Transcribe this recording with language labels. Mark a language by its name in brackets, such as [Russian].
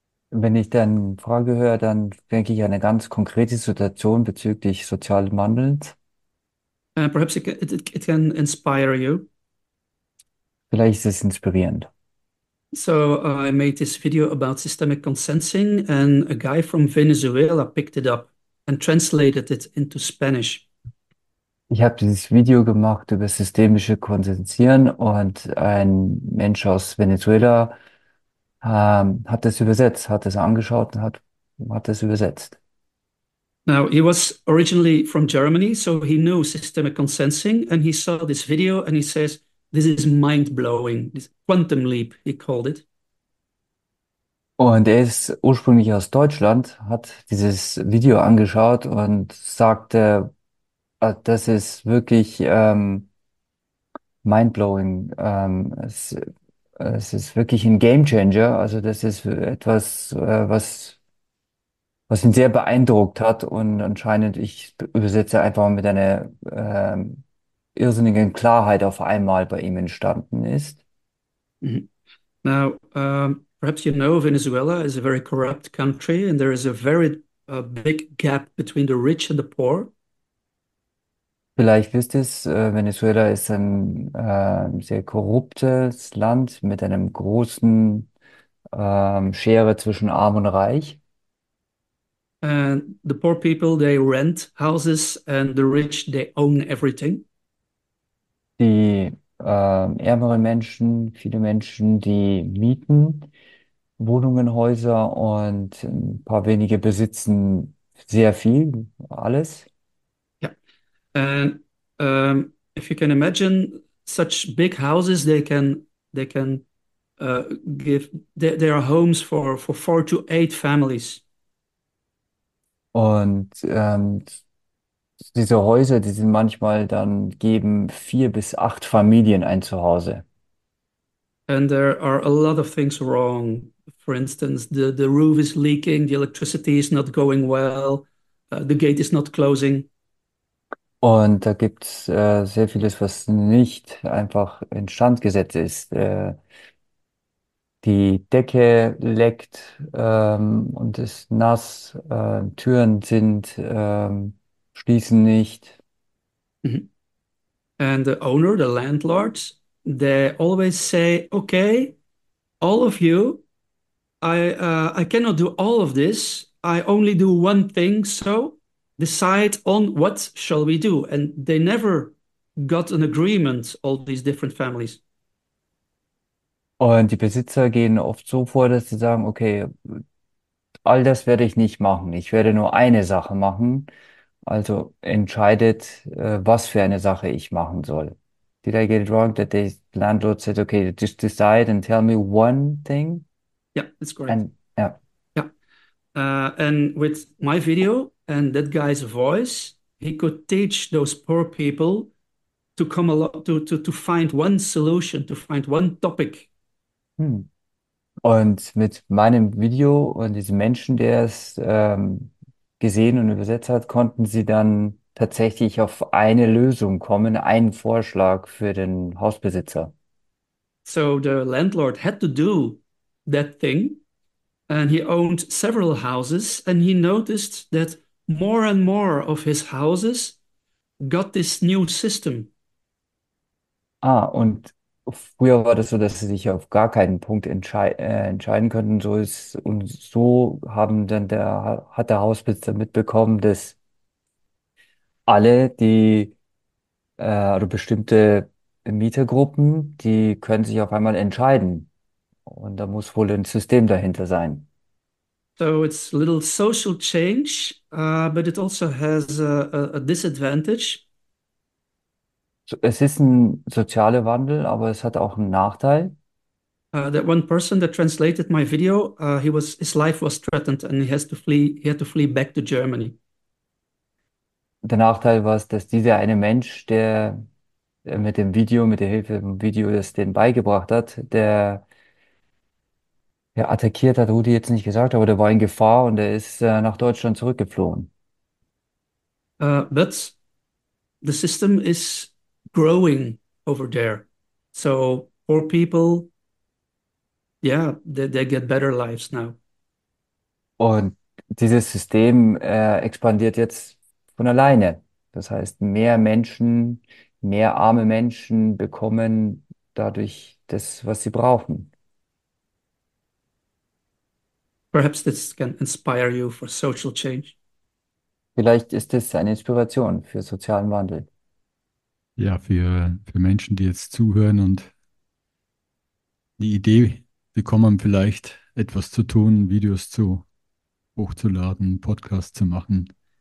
[German] Wenn ich deine Frage höre, dann denke ich an eine ganz konkrete Situation bezüglich sozialen Wandels. [English] Perhaps it can inspire you. [German] Vielleicht ist es inspirierend. [English] So I made this video about systemic consensing, and a guy from Venezuela picked it up and translated it into Spanish. [German] Ich habe dieses Video gemacht über systemische Konsensieren und ein Mensch aus Venezuela hat es übersetzt, hat es angeschaut und hat es übersetzt. [English] Now, he was originally from Germany, so he knew systemic consensing, and he saw this video and he says, "This is mind-blowing, this quantum leap," he called it. [German] Und er ist ursprünglich aus Deutschland, hat dieses Video angeschaut und sagte, das ist wirklich mindblowing. Es ist wirklich ein Game Changer. Also das ist etwas, was ihn sehr beeindruckt hat. Und anscheinend, ich übersetze einfach mit einer irrsinnigen Klarheit auf einmal bei ihm entstanden ist. [English] Now, perhaps you know Venezuela is a very corrupt country, and there is a very big gap between the rich and the poor. [German] Vielleicht wisst ihr es, Venezuela ist ein sehr korruptes Land mit einem großen Schere zwischen Arm und Reich. [English] And the poor people, they rent houses, and the rich, they own everything. [German] Die ärmeren Menschen, viele Menschen, die mieten Wohnungen, Häuser und ein paar wenige besitzen sehr viel, alles. [English] And if you can imagine such big houses, they can give their homes for 4 to 8 families. [German] Und diese Häuser, die sind manchmal dann geben 4 bis 8 Familien ein Zuhause. [English] And there are a lot of things wrong. For instance, the roof is leaking, the electricity is not going well, the gate is not closing. [German] Und da gibt es sehr vieles, was nicht einfach instand gesetzt ist. Die Decke leckt und ist nass. Türen sind schließen nicht. [English] And the owner, the landlords, they always say, "Okay, all of you, I cannot do all of this. I only do one thing, so decide on what shall we do." And they never got an agreement, all these different families. [German] Und die Besitzer gehen oft so vor, dass sie sagen, okay, all das werde ich nicht machen. Ich werde nur eine Sache machen. Also entscheidet, was für eine Sache ich machen soll. [English] Did I get it wrong that the landlord said, okay, just decide and tell me one thing? That's correct. And, ja. And with my video and that guy's voice, he could teach those poor people to come along to find one solution, to find one topic. [German] Und mit meinem Video und diesem Menschen, der es gesehen und übersetzt hat, konnten sie dann tatsächlich auf eine Lösung kommen, einen Vorschlag für den Hausbesitzer. [English] So the landlord had to do that thing, and he owned several houses, and he noticed that more and more of his houses got this new system. [German] Ah, und früher war das so, dass sie sich auf gar keinen Punkt entscheiden könnten. So ist, und so haben dann hat der Hausbesitzer mitbekommen, dass alle, die oder bestimmte Mietergruppen, die können sich auf einmal entscheiden. Und da muss wohl ein System dahinter sein. [English] So it's a little social change, but it also has a disadvantage. [German] Es ist ein sozialer Wandel, aber es hat auch einen Nachteil. [English] That one person that translated my video, he was his life was threatened and he had to flee back to Germany. [German] Der Nachteil war es, dass dieser eine Mensch, der mit dem Video, mit der Hilfe vom Video, das den beigebracht hat, der attackiert hat, Rudi jetzt nicht gesagt, aber der war in Gefahr und er ist nach Deutschland zurückgeflohen. [English] But the system is growing over there. So poor people, yeah, they get better lives now. [German] Und dieses System expandiert jetzt von alleine. Das heißt, mehr Menschen, mehr arme Menschen bekommen dadurch das, was sie brauchen. [English] Perhaps this can inspire you for social change. [German] Vielleicht ist es eine Inspiration für sozialen Wandel. Ja, für Menschen, die jetzt zuhören und die Idee bekommen, vielleicht etwas zu tun, Videos zu hochzuladen, Podcasts zu machen.